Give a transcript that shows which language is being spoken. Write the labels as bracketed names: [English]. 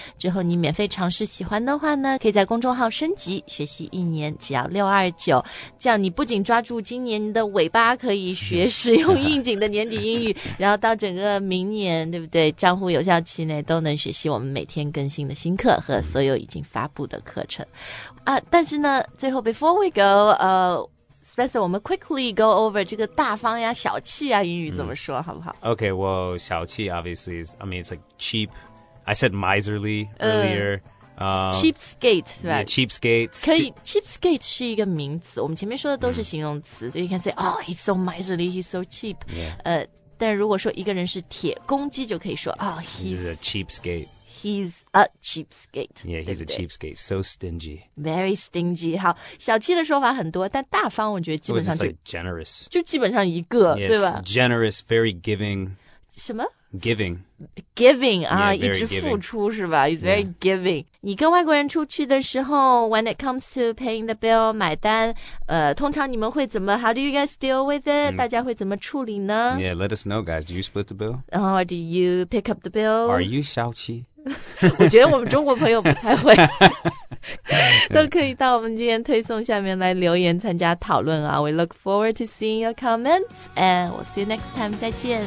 [Chinese] 之后你免费尝试，喜欢的话呢可以在公众号升级学习一年，只要629，这样你不仅抓住今年的尾巴可以学实用应景的年底英语然后到整个明年对不对账户有效期内都能学习我们每天更新的新课和所有已经发布的课程啊。但是呢最后 [English] before we go Spencer, [Chinese] 我们 [English] quickly go over [Chinese] 这个大方呀小气呀英语怎么说、好不好 [English] Okay, well, 小气 obviously is, I mean, it's like cheap. I said miserly earlier. Cheapskate, right? Yeah, cheapskate. [Chinese] 可以 cheapskate 是一个名词，我们前面说的都是形容词、 [English] So you can say, oh, he's so miserly, he's so cheap. Yeah. [Chinese] 但如果说一个人是铁公鸡就可以说 [English] oh, he's a cheapskate. He's a cheapskate. Yeah, he's [Chinese] 对不对? [English] a cheapskate. So stingy. Very stingy. [Chinese] 好，小气的说法很多，但大方我觉得基本上就 [English] like generous. [Chinese] 就基本上一个， [English] yes, [Chinese] 对吧 [English] ？Generous, very giving. [Chinese] 什么 [English] ？Giving. Giving 啊、 yeah, ， [Chinese] 一直付出 [English] giving. [Chinese] 是吧 [English] ？He's very、 yeah. giving. [Chinese] 你跟外国人出去的时候 ， [English] when it comes to paying the bill [Chinese] 买单，通常你们会怎么 ？ [English] How do you guys deal with it？、 [Chinese] 大家会怎么处理呢 [English] ？Yeah, let us know, guys. Do you split the bill? Or do you pick up the bill? Are you [Chinese] 小气？我觉得我们中国朋友不太会都可以到我们今天推送下面来留言参加讨论啊 [English] We look forward to seeing your comments And we'll see you next time [Chinese] 再见